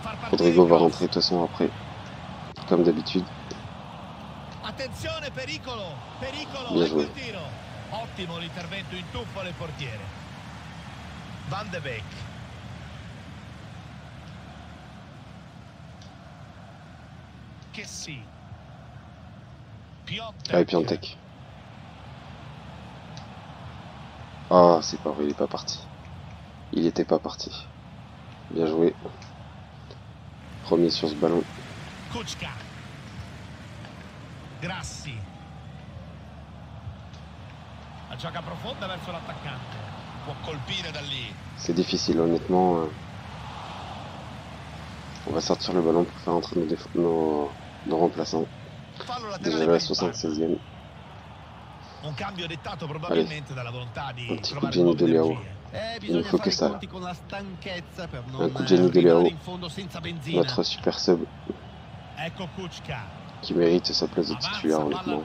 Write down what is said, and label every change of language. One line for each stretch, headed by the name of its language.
French: Rodrigo va rentrer de toute façon après. Comme d'habitude.
Italian: Attenzione, pericolo, pericolo.
French: Bien joué.
Italian: Ottimo l'intervento in tuffo alle portiere. Van de Beek. Che sì.
French: Ah, et Piontek. Ah, c'est pas vrai, il est pas parti. Il était pas parti. Bien joué. Premier sur ce ballon. Kuchka. Grassi.
Italian: La gioca profonda verso l'attaccante. Può colpire da lì.
French: C'est difficile, honnêtement. On va sortir le ballon pour faire entrer nos remplaçants. Déjà la 76e.
Italian: Un cambio dettato probabilmente dalla volontà di
French: un petit coup de génie de Leao. Il ne faut que ça. Un coup de génie de Leao. Notre super sub.
Italian: Ecco Kuchka.
French: Qui mérite sa place de titulaire, honnêtement.